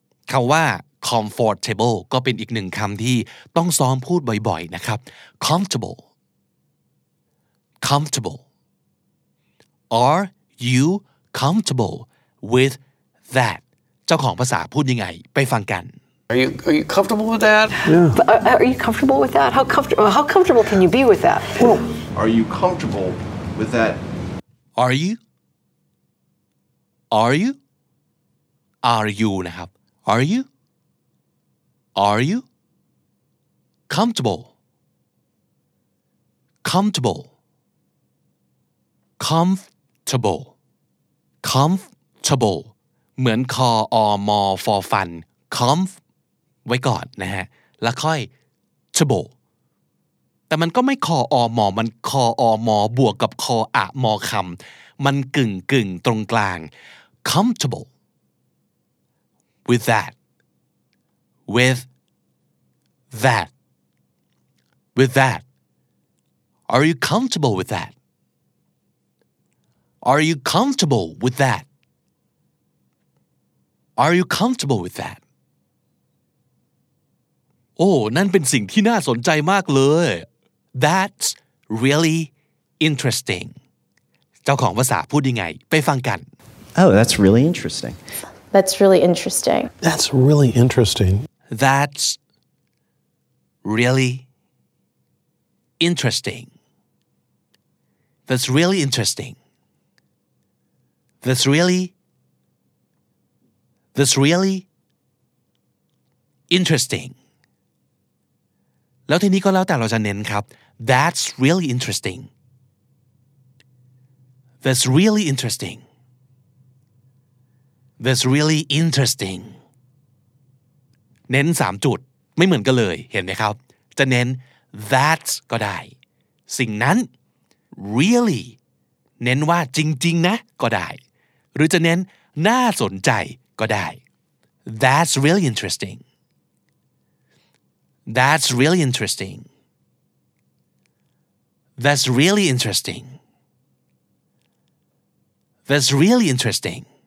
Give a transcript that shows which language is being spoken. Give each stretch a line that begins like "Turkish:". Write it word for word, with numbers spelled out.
Thai: คำว่า comfortable ก็เป็นอีกหนึ่งคำที่ต้องซ้อมพูดบ่อยๆนะครับ
English: comfortable comfortable Are you comfortable with that?
Thai: เจ้าของภาษาพูดยังไงไปฟังกัน
English: Are you Are you comfortable with that? No. But are, are you comfortable with that? How comfortable How comfortable can you be with that? Well, are you comfortable with that? Are you? Are you? Are you นะครับ Are you? Are you? Comfortable. Comfortable. Comfortable.
Thai: comfortable เหมือนคออมอฟอฟัน comf ไว้ก่อนนะฮะแล้วค่อย table แต่มันก็ไม่คออมอมันคออมอบวกกับคออะมอคำมันกึ่งกึ่งตรงกลาง
English: comfortable with that with that with that Are you comfortable with that? Are you comfortable with that? Are you comfortable with that?
Thai: โอ้นั่นเป็นสิ่งที่น่าสนใจมากเลย
English: That's really interesting
Thai: เจ้าของภาษาพูดยังไงไปฟังกัน
English: Oh, that's really interesting. That's really interesting. That's really interesting. That's really interesting. That's really interesting. That's really, that's really interesting.
Thai: แล้วทีนี้ก็แล้วแต่เราจะเน้นครับ
English: That's really interesting. That's really interesting. That's really interesting.
Thai: เน้นสามจุดไม่เหมือนกันเลยเห็นไหมครับจะเน้น that's ก็ได้สิ่งนั้น really เน้นว่าจริงๆนะก็ได้หรือจะเน้นน่าสนใจก็ได้
English: That's really interesting. That's really interesting. That's really interesting. That's really interesting.